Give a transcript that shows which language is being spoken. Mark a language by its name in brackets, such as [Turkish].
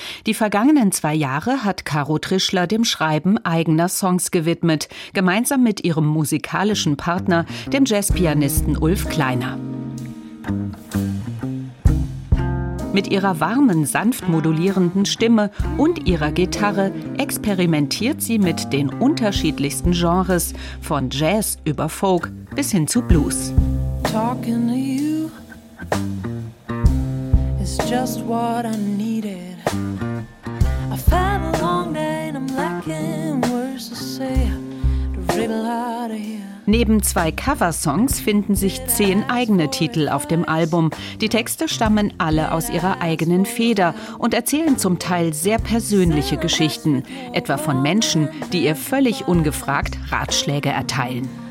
[German] Die vergangenen 2 Jahre hat Caro Trischler dem Schreiben eigener Songs gewidmet, gemeinsam mit ihrem musikalischen Partner, dem Jazzpianisten Ulf Kleiner. Mit ihrer warmen, sanft modulierenden Stimme und ihrer Gitarre experimentiert sie mit den unterschiedlichsten Genres, von Jazz über Folk bis hin zu Blues. [English] Talking to you is just what I needed. I've had a long day and I'm lacking words to say to wriggle out of here. [German] Neben 2 Coversongs finden sich 10 eigene Titel auf dem Album. Die Texte stammen alle aus ihrer eigenen Feder und erzählen zum Teil sehr persönliche Geschichten, etwa von Menschen, die ihr völlig ungefragt Ratschläge erteilen.